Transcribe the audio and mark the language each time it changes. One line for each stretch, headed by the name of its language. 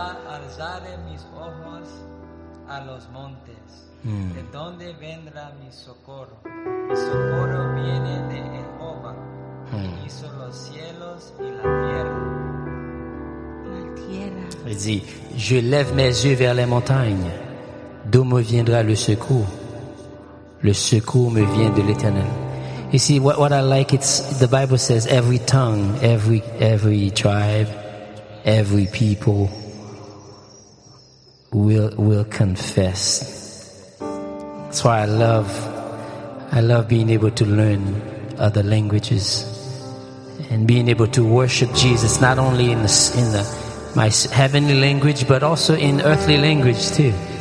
Spanish: Alzaré mis ojos a los montes, de donde vendrá mi socorro. Mi socorro viene de Jehová, que hizo los cielos y la tierra. La tierra.
French: Il dit, je lève mes yeux vers les montagnes, d'où me viendra le secours? Le secours me vient de l'Éternel.
English: You see, what I like, it's the Bible says every tongue, every tribe, every people will confess. That's why I love being able to learn other languages and being able to worship Jesus, not only in my heavenly language, but also in earthly language too.